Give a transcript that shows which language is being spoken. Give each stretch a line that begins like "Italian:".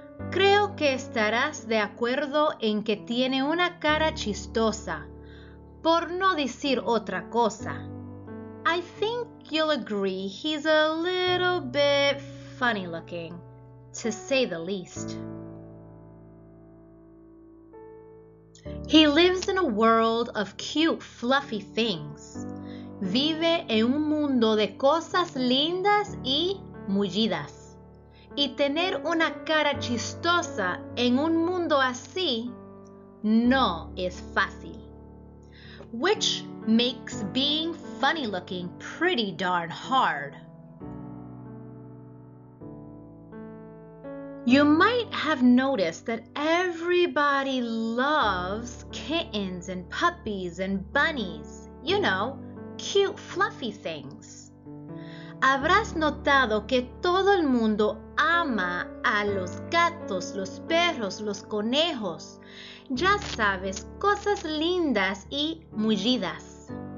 Spanish: Creo que estarás de acuerdo en que tiene una cara chistosa, por no decir otra cosa.
English: I think you'll agree he's a little bit funny looking, to say the least. He lives in a world of cute, fluffy things.
Spanish: Vive en un mundo de cosas lindas y mullidas. Y tener una cara chistosa en un mundo así no es fácil.
English: Which makes being funny looking pretty darn hard. You might have noticed that everybody loves kittens and puppies and bunnies. You know, cute fluffy things.
Spanish: Habrás notado que todo el mundo ama a los gatos, los perros, los conejos. Ya sabes, cosas lindas y mullidas.